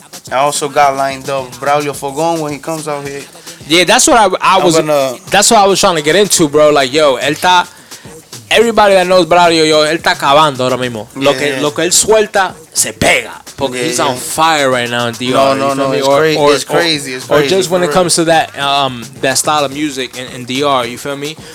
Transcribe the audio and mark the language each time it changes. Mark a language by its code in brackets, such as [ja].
[en] I also got lined up Braulio Fogón when he comes out here. Yeah, that's what I was trying to get into, bro. [es] Like, yo, él está, [en] everybody that knows [es] Braulio, yo, él está acabando ahora mismo. Yeah, lo que él suelta, se pega. Porque [en] he's on fire right now in DR. No, it's crazy. Or just when it comes to that that style of music in DR, you feel me?